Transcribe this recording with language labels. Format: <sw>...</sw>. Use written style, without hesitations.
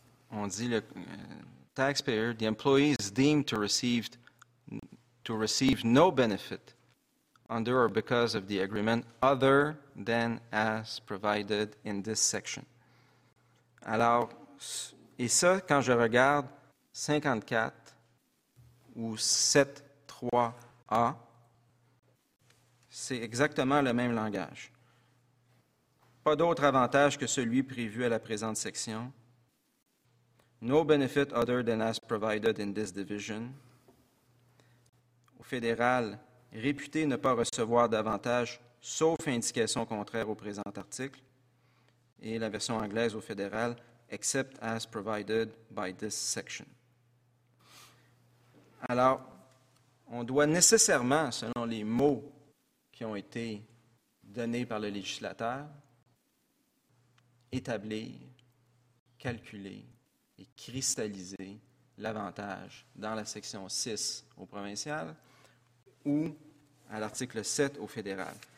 <fr>On dit le</fr> <en>taxpayer, the employee is deemed to receive no benefit under or because of the agreement other than as provided in this section.</en> <fr>Alors, et ça, quand je regarde 54 ou 7.3a, c'est exactement le même langage. Pas d'autre avantage que celui prévu à la présente section.</fr> <en>No benefit other than as provided in this division.</en> <fr>Au fédéral, réputé ne pas recevoir d'avantage, sauf indication contraire au présent article. Et la version anglaise au fédéral,</fr> <en>except as provided by this section.</en> <fr>Alors, on doit nécessairement, selon les mots qui ont été donnés par le législateur, établir, calculer, et cristalliser l'avantage dans la section 6 au provincial ou à l'article 7 au fédéral.</fr>